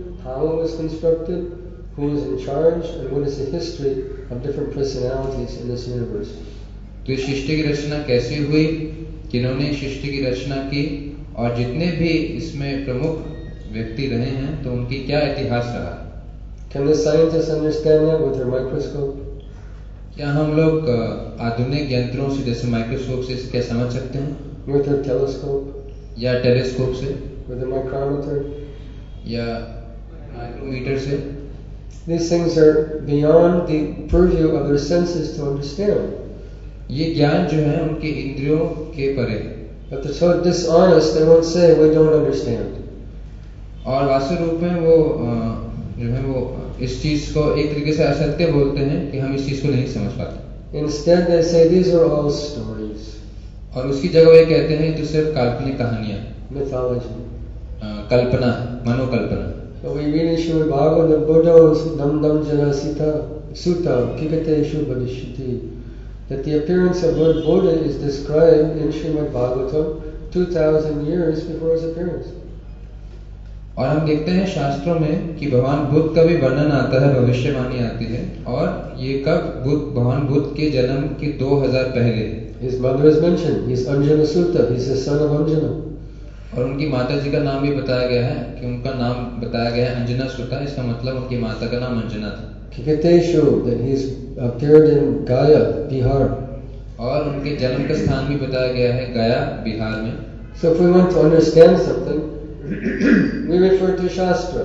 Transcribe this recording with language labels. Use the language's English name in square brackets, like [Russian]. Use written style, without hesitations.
[English] How it is constructed, who is in charge, and what is the history of different personalities in this universe. [Hindi] तो सृष्टि की रचना कैसे हुई किन्होंने सृष्टि की रचना की और जितने भी इसमें प्रमुख व्यक्ति रहे हैं तो उनकी क्या इतिहास रहा [English] Can the scientists understand that with their microscope? [Hindi] क्या हम लोग आधुनिक यंत्रों से जैसे माइक्रोस्कोप से क्या समझ सकते हैं [English] With their telescope? [Hindi] या टेलीस्कोप से [English] With a micrometer? [Hindi] या माइक्रोमीटर से [English] These things are beyond the purview of their senses to understand. [Hindi] ये ज्ञान जो है उनके इंद्रियों के परे [English] But they're so dishonest, they won't say, we don't understand. [Hindi] और वास्तव रूप में वो जो है वो इस चीज को एक तरीके से असत्य बोलते हैं कि हम इस चीज को नहीं समझ पाते [English] Instead, they say, these are all stories. [Hindi] और उसकी जगह वे कहते हैं तो सिर्फ काल्पनिक कहानियां [English] Mythology. [Hindi] Kalpana मनोकल्पना [English] So we read in Shrimad Bhagavatam, the Buddha was Dham Dham Jana Sita Sutta Kikate Shubhadishiti That the appearance of Lord Buddha is described in Shrimad Bhagavatam 2000 years before his appearance. [Hindi] और हम देखते हैं शास्त्रों में कि भगवान बुद्ध का भी वर्णन आता है भविष्यवाणी आती है और ये कब बुद्ध भगवान बुद्ध के जन्म के 2000 पहले [English] His mother is mentioned, he is Anjana Sutta, he is the son of Anjana. [Hindi] और उनकी माता जी का नाम भी बताया गया है कि उनका नाम बताया गया है अंजना सुता इसका मतलब उनकी माता का नाम अंजना था [English] किकेतेशु that he is appeared in Gaya Bihar [Hindi] और उनके जन्म का स्थान भी बताया गया है गया बिहार में [English] so if we want to understand something we refer to shastra